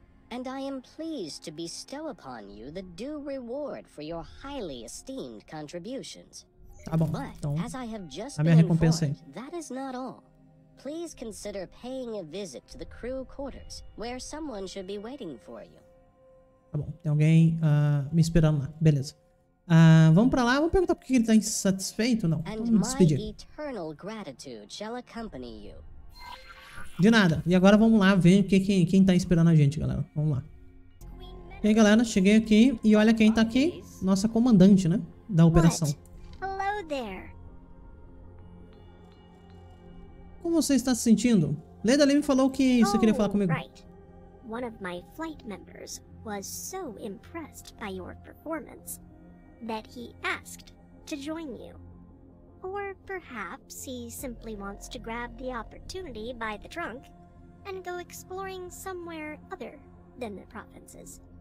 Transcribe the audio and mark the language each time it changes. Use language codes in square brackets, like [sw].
[en] And I am pleased to bestow upon you the due reward for your highly esteemed contributions. [pt] Tá bom. [en] But, [pt] então, [en] as I have just [pt] a minha recompensa aí. [en] That is not all. Please consider paying a visit to the crew quarters, where someone should be waiting for you. [pt] Tá bom, tem alguém me esperando lá. Beleza. Vamos pra lá, vamos perguntar por que ele tá insatisfeito ou não. [en] And [pt] vamos despedir. [en] My eternal gratitude shall accompany you. [pt] De nada. E agora vamos lá ver quem tá esperando a gente, galera. Vamos lá. E aí, galera, cheguei aqui e olha quem tá aqui. Nossa comandante, né? Da operação. [en] Hello there. [pt] Como você está se sentindo? Leda Lee me falou que você queria falar comigo. [en] Right. One of my flight members was so impressed by your performance that he asked to join you. Or perhaps he simply wants to grab the opportunity by the trunk and go exploring somewhere other than the provinces.